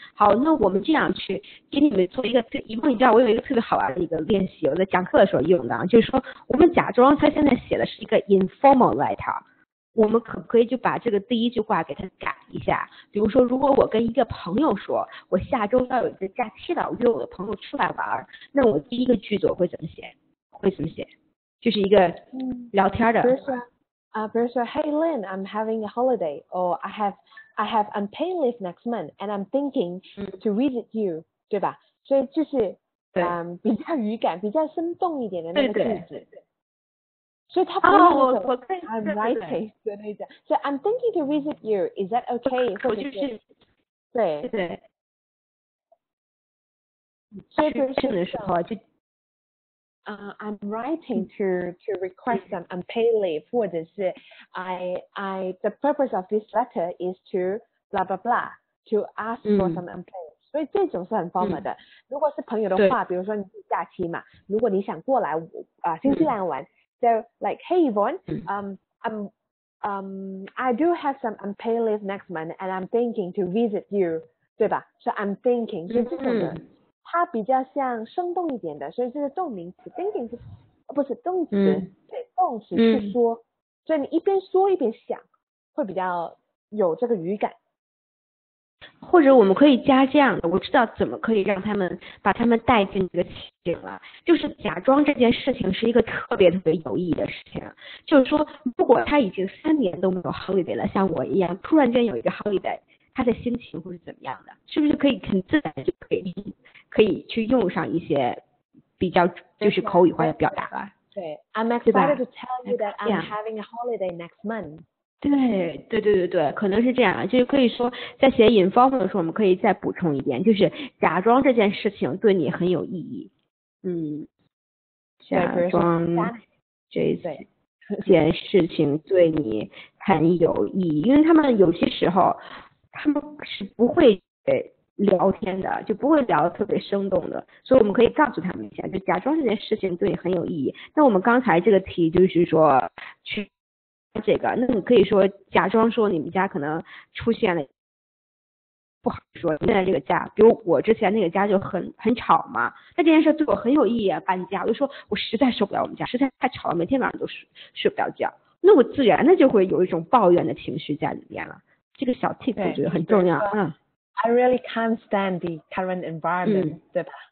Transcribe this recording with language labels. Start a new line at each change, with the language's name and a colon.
Chinese: 好，那我们这样去给你们做一个，因为你知道我有一个特别好玩的一个练习，我在讲课的时候用的啊，就是说我们假装他现在写的是一个 informal letter。我们可不可以就把这个第一句话给他改一下？比如说，如果我跟一个朋友说，我下周要有一个假期了，我约我的朋友出来玩，那我第一个句子我会怎么写？会怎么写？就是一个聊天的。
English: 比如说 ，Hey Lynn, I'm having a holiday, or I have unpaid leave next month, and I'm thinking to visit you，
Chinese: 对吧？所以就是比较语感、比较生动一点的那个句子。对所以他不知道怎么说
English: I'm writing
Chinese: 的那种，所以
English: I'm thinking to visit you, is that okay?
Chinese: 或者是对对，所以这个时候就
English: I'm writing to request some unpaid leave,
Chinese: 或者是
English: I the purpose of this letter is to blah blah blah to ask for some unpaid leave.
Chinese: 所以这种是很 formal 的。如果是朋友的话，比如说你假期嘛，如果你想过来新西兰玩。
English: So like, hey Yvonne, I do have some unpaid leave next month, and I'm thinking to visit you,
Chinese: 对吧？所以
English: I'm thinking
Chinese: 就这种的，它比较像生动一点的，所以这是动名词 thinking 是，不是动词？对，动词是说，所以你一边说一边想，会比较有这个语感。或者我们可以加这样的，我知道怎么可以让他们把他们带进这个情景了，就是假装这件事情是一个特别特别有意义的事情，就是说如果他已经三年都没有 holiday 了，像我一样突然间有一个 holiday， 他的心情会是怎么样的，是不是可以很自然就可以去用上一些比较就是口语化的表达了。
English: I'm excited to tell you that I'm having a holiday next month。
Chinese: 对，可能是这样，就是可以说在写 informal 的时候，我们可以再补充一点，就是假装这件事情对你很有意义。假装这件事情对你很有意义，因为他们有些时候他们是不会聊天的，就不会聊得特别生动的，所以我们可以告诉他们一下，就假装这件事情对你很有意义。那我们刚才这个题就是说去这个，那你可以说假装说你们家可能出现了不好说现在这个家，比如我之前那个家就很吵嘛，那这件事对我很有意义啊，搬家我就说我实在受不了我们家实在太吵了，每天晚上都睡不了觉，那我自然的就会有一种抱怨的情绪在里面了。这个小 tip 我觉得很重要。
English: I really can't stand the current environment，
Chinese: 对吧？